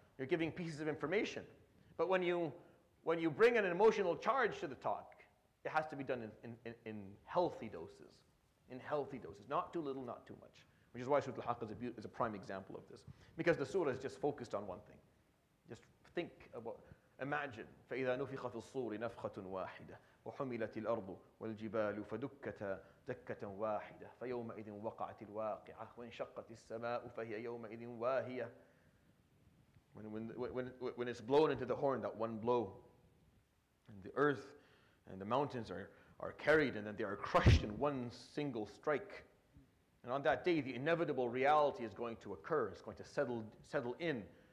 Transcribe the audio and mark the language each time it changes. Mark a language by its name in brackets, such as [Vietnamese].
[English] You're giving pieces of information. But when you bring an emotional charge to the talk, it has to be done in healthy doses. In healthy doses, not too little, not too much. Which is why Surah Al-Haqqah is a prime example of this. Because the surah is just focused on one thing. Just think about, imagine. [Arabic] فَإِذَا نُفِخَ فِي الصُّورِ نَفْخَةٌ وَاحِدَةٌ وحملت الأرض والجبال فدكتا دكة واحدة فيومئذ وقعت الواقعة وانشقت السماء فهي يومئذ واهية. [English] When it's blown into the horn, that one blow, and the earth and the mountains are carried, and then they are crushed in one single strike. And on that day, the inevitable reality is going to occur. It's going to settle in.